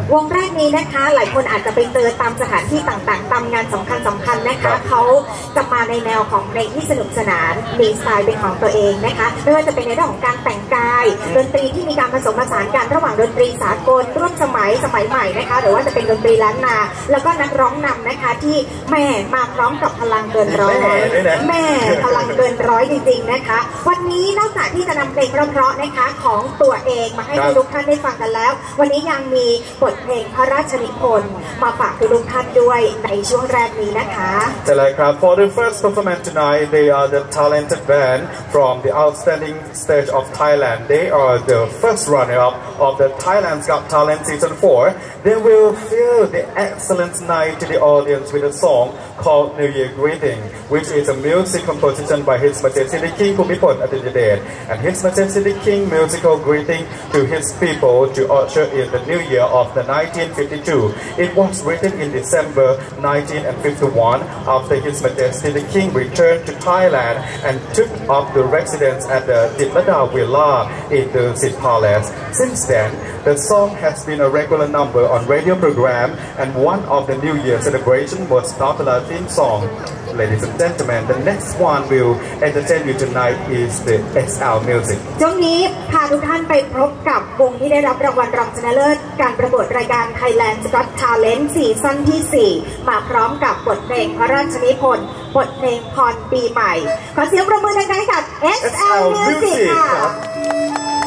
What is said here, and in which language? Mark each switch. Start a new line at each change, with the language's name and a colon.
Thai: วงแรกนี้นะคะหลายคนอาจจะไปเจอตามสถานที่ต่างๆตามงานสำคัญนะคะเขาจะมาในแนวของเพลงที่สนุกสนานมีสไตล์เป็นของตัวเองนะคะไม่ว่าจะเป็นในเรื่องของการแต่งกายดนตรีที่มีการผสมผสานกันระหว่างดนตรีสากลร่วมสมัยใหม่นะคะหรือว่าจะเป็นดนตรีล้านนาแล้วก็นักร้องนำนะคะที่แม่มาพร้อมกับพลังเกินร้อย แม่พลังเกินร้อยจริงๆนะคะวันนี้นอกจากที่จะนำเพลงเพราะๆนะคะของตัวเองมาให้ทุกท่านได้ฟังกันแล้ววันนี้ยังมีบทเพลงพระราชนิพนธ์มาฝากทุกท่านด้วยในช่วงแรกนี้นะคะ จะเลยครับ
English: For the first performance tonight they are the talented band from the outstanding stage of Thailand they are the first runner up of the Thailand's Got Talent season 4 they will fill the excellent night to the audience with a song called New Year Greeting which is a music composition by His Majesty the King Bhumibol Adulyadej and His Majesty the King musical greeting to his people to usher in the new year of the 1952 It was written in December 1951 after His Majesty the King returned to Thailand and took up the residence at the Dipmada Villa in the Sit Palace. Since then, the song has been a regular number on radio program and one of the New Year celebration was popular theme song. Ladies and gentlemen, the next one will entertain you tonight is the XL Music.
Thai: ช่วงนี้พาทุกท่านไปพบกับวงที่ได้รับรางวัลรองชนะเลิศการประกวดรายการ Thailand's Got Talent ซีซั่นที่4มาพร้อมกับบทเพลงพระราชนิพนธ์บทเพลงพรปีใหม่ขอเสียงปรบมือให้กับ XL Music ค่ะ